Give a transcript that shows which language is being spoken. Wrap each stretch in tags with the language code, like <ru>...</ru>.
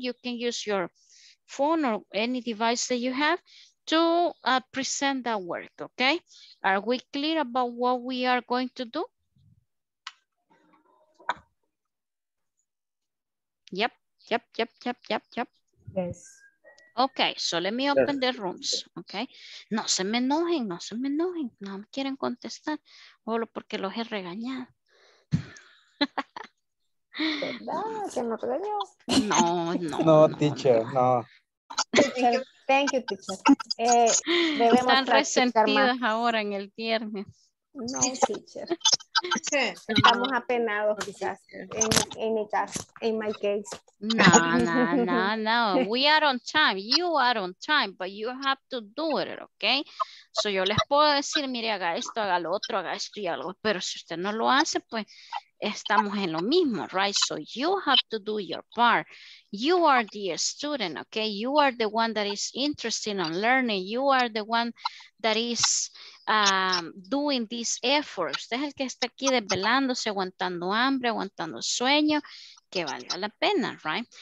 <en>You can use your phone or any device that you have to present that work. Okay, are we clear about what we are going to do? Yep, yep, yep, yep, yep, yep. Yes. Okay, so let me open the rooms, okay?</en> <es>No se me enojen, no se me enojen. No me quieren contestar, solo porque los he regañado. ¿Verdad? ¿Que no regañó? No, no. No, teacher, no.</es> <en>Teacher, thank you, teacher.</en> <es>Debemos están resentidas ahora en el viernes. No, teacher. Estamos apenados quizás en mi caso, en</es> <en>my case. No, no, no, no. We are on time. You are on time, but you have to do it, okay?</en> <es>So yo les puedo decir, mire, haga esto, haga lo otro, haga esto y algo. Pero si usted no lo hace, pues estamos en lo mismo, right?</es> <en>So you have to do your part. You are the student, okay? You are the one that is interested in learning. You are the one that is doing this effort.</en> <es>Usted es el que está aquí desvelándose, aguantando hambre, aguantando sueño, que valga la pena, right?</es>